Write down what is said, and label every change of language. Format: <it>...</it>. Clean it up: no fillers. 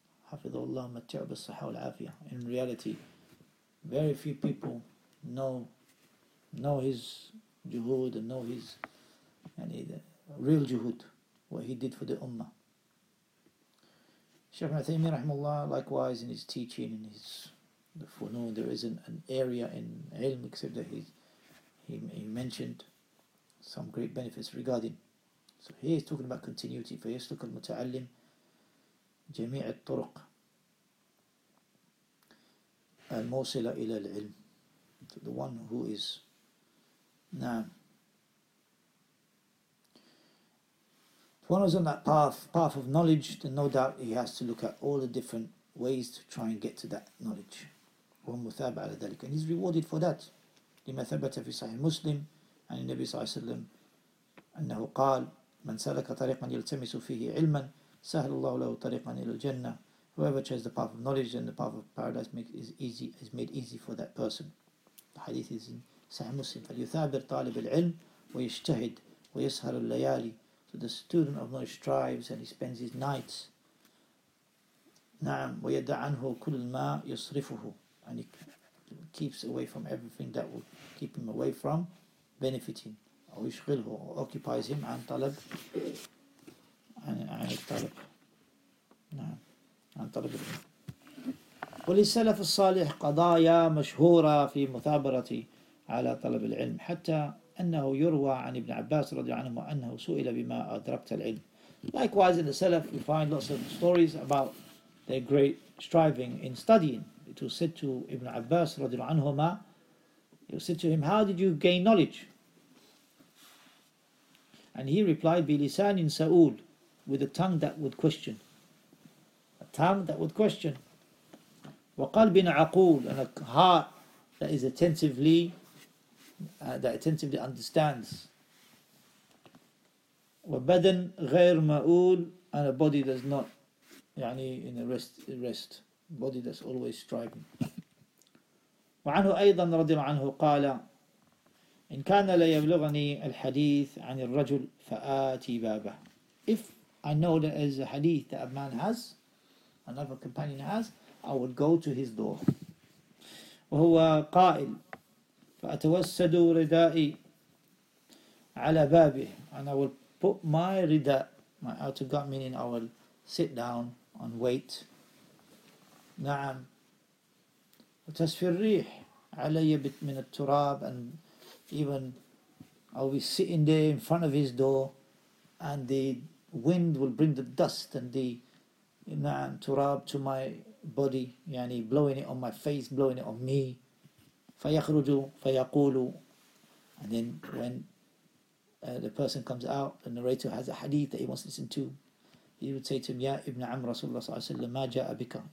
<ar>Hafidhullah matta'ba as-saha wal 'afiyah.</ar> <en>In reality, very few people know his juhud and know his real juhud, what he did for the ummah. Shaykh Ibn Uthaymeen rahimahullah, likewise in his teaching and his the funun, there isn't an area in ilm except that he mentioned some great benefits regarding. So he is talking about continuity.</en> <ar>فيسلك المتعلم جميع الطرق الموصلة إلى العلم.</ar> <en>So the one who is نعم. The one who's on that path of knowledge, then no doubt he has to look at all the different ways to try and get to that knowledge.</en> <ar>ومثاب على ذلك.</ar> <en>And he's rewarded for that.</en> <ar>لما ثبت في صحيح مسلم عن النبي صلى الله عليه وسلم أنه قال من سلك طريقا يلتمس فيه علما سهل الله له طريقا إلى الجنة.</ar> <en>Whoever chose the path of knowledge, then the path of paradise is made easy for that person. The hadith is in Sahih Muslim.</en> <ar>فليثابر طالب العلم ويجتهد ويسهر الليالي.</ar> <en>So the student of knowledge strives and he spends his nights.</en> <ar>نعم ويدع عنه كل ما يصرفه.</ar> <en>And he keeps away from everything that will keep him away from benefiting.</en> <ar>أو يشغله</ar> <en>or occupies him</en> <ar>عن طلب عن الطلب. نعم. عن طلب العلم. وللسلف الصالح قضايا مشهورة في مثابرة على طلب العلم حتى أنه يروى عن ابن عباس رضي الله عنه أنه سئل بما أدركت العلم.</ar> <en>Likewise in the Salaf we find lots of stories about their great striving in studying. It was said to Ibn Abbas</en> <ar>رضي الله عنهما,</ar> <en>it was said to him, how did you gain knowledge? And he replied,</en> <ar>بلسان سؤول,</ar> <en>with a tongue that would question.</en> <ar>وقلب عقول,</ar> <en>and a heart that is attentively that attentively understands.</en> <ar>وبدن غير مؤول,</ar> <en>and a body that's not in a rest body that's always striving.</en> <ar>وعنه ايضا رضي الله عنه قال ان كان لا يبلغني الحديث عن الرجل فاتي بابه.</ar> <en>If I know there is a hadith that a man has, another companion has, I would go to his door.</en> <ar>وهو قائل فأتوسد ردائي على بابه.</ar> <en>And I will put my rida, my outer garment, meaning I will sit down and wait.</en> <ar>نعم وتسفي الريح علي بت من التراب.</ar> <en>And even I will be sitting there in front of his door and the wind will bring the dust and the نعم تراب to my body, يعني blowing it on my face, blowing it on me.</en> <ar>فيخرج فيقول.</ar> <en>And then when the person comes out, the narrator has a hadith that he wants to listen to, he would say to him,</en> <ar>يا ابن عم رسول الله صلى الله عليه وسلم ما جاء بك.</ar>